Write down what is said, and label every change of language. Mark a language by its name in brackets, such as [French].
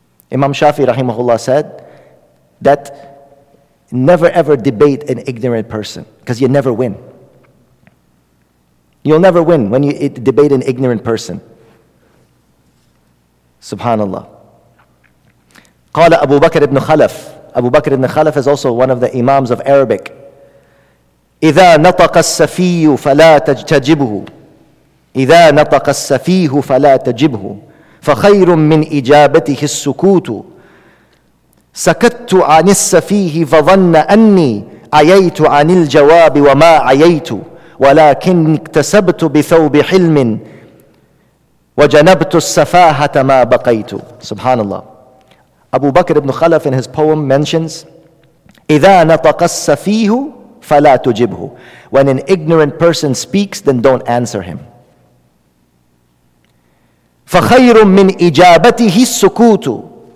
[English] Imam Shafi rahimahullah said that never ever debate an ignorant person, because you never win. You'll never win when you debate an ignorant person. Subhanallah. Qala Abu Bakr ibn Khalaf. Abu Bakr ibn Khalaf is also one of the imams of Arabic. [Arabic] إِذَا نَطَقَ السَّفِيُّ فَلَا تَجْتَجِبُهُ إِذَا نَطَقَ السَّفِيهُ فَلَا تَجِبُهُ فَخَيْرٌ مِّنْ إِجَابَتِهِ السُّكُوتُ سَكَتُّ عَنِ السَّفِيهِ فَظَنَّ أَنِّي عَيَيْتُ عَنِ الْجَوَابِ وَمَا عَيَيْتُ ولكن اكتسبت بثوب حلم وجنبت السفاهة ما بقيت. سبحان الله. [English] Abu Bakr ibn Khalaf in his poem mentions, [Arabic] إذا نطق السفيه فلا تجبه. [English] When an ignorant person speaks, then don't answer him. [Arabic] فخير من إجابته السكوت.